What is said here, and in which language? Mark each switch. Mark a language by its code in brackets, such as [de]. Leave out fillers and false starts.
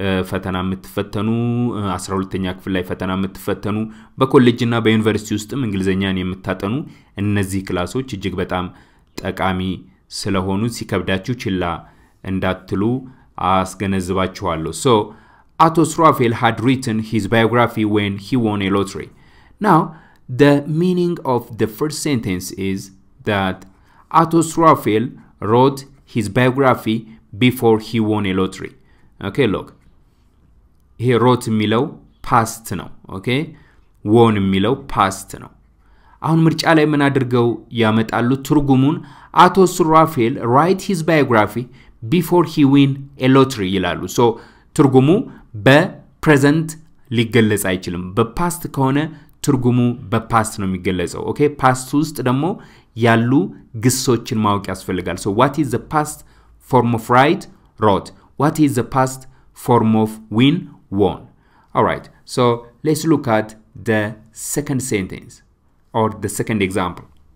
[am] ፈተና የምትፈተኑ 12ኛ ክፍል ላይ ፈተና የምትፈተኑ በኮሌጅና በዩኒቨርሲቲ ውስጥም እንግሊዘኛን የምታጠኑ እነዚህ ክላሶች እጅግ በጣም ጠቃሚ ስለሆኑ ሲከብዳችሁ ችላ እንዳትሉ አስገነዝባችኋለሁ። ሶ አቶ ስራፌል [en] had written his biography when he won a lottery. Now the meaning of the first sentence is that አቶ ስራፌል wrote his biography before he won a lottery. Okay, look. He wrote [am] የሚለው past ነው. [en] Okay? [am] Won የሚለው past ነው። አሁን ምርጫ ላይ ምን አድርገው ያመጣሉ ትርጉሙን? አቶ ስራፌል [en] write his biography before he win a lottery [am] ይላሉ። So ትርጉሙ በpresent ሊገለጽ አይችልም። በpast ከሆነ ትርጉሙ በpast ነው የሚገለጸው። Okay? Past ውስጥ ደግሞ ያሉ ግሶችን ማወቅ ያስፈልጋል። [en] So what is the past form of write? Wrote. What is the past form of win? Won. All right. So let's look at the second sentence or the second example.